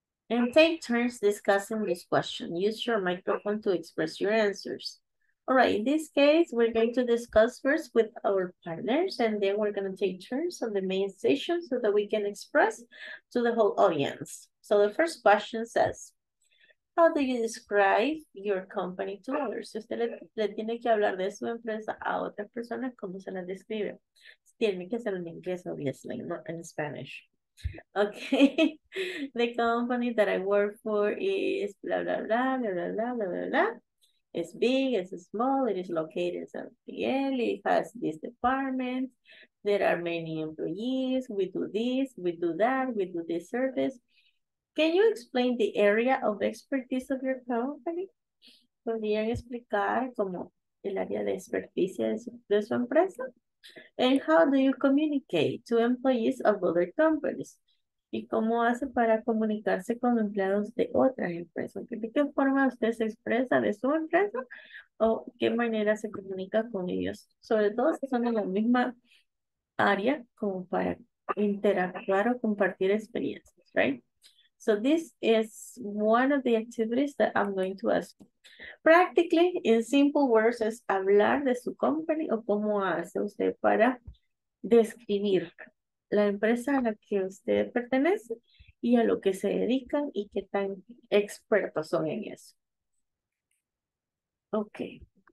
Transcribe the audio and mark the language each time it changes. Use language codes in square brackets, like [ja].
[en] And take turns discussing this question. Use your microphone to express your answers. All right, in this case, we're going to discuss first with our partners, and then we're going to take turns on the main session so that we can express to the whole audience. So the first question says, how do you describe your company to others? [es] Si usted le tiene que hablar de su empresa a otra persona, ¿cómo se la describe? Tiene que ser en inglés, [en] obviously, not in Spanish. Okay, the company that I work for is blah, blah, blah, blah, blah, blah, blah, blah, blah. It's big, it's small, it is located in San Miguel, it has this department, there are many employees, we do this, we do that, we do this service. Can you explain the area of expertise of your company? [es] ¿Podrían explicar como el área de experticia de su empresa? [en] And how do you communicate to employees of other companies? [es] ¿Y cómo hace para comunicarse con empleados de otras empresas? ¿De qué forma usted se expresa de su empresa? ¿O qué manera se comunica con ellos? Sobre todo si son en la misma área como para interactuar o compartir experiencias, right? [en] So this is one of the activities that I'm going to ask. Practically, in simple words, [es] es hablar de su company o cómo hace usted para describir la empresa a la que usted pertenece y a lo que se dedican y qué tan expertos son en eso. Okay.